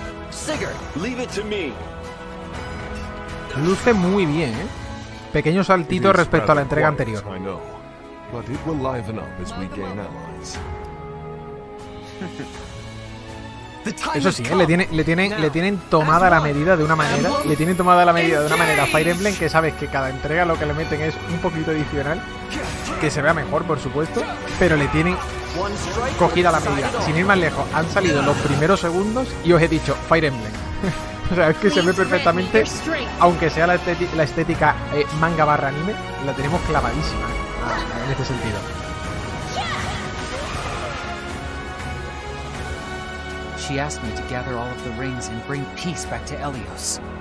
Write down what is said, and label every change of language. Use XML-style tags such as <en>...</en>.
<en>Sigurd, leave it to me.</en> <es>Luce muy bien, ¿eh? Pequeño saltito respecto a la entrega anterior.</es> <en>I know, but it will liven up as we gain allies.</en> <es>Eso sí, ¿eh? le tienen tomada la medida de una manera. Le tienen tomada la medida de una manera Fire Emblem, que sabes que cada entrega lo que le meten es un poquito adicional, que se vea mejor, por supuesto, pero le tienen cogida la medida. Sin ir más lejos, han salido los primeros segundos y os he dicho Fire Emblem. O sea, es que se ve perfectamente, aunque sea la estética manga barra anime, la tenemos clavadísima en este sentido.</es> <en>She asked me to gather all of the rings and bring peace back to Elios.</en>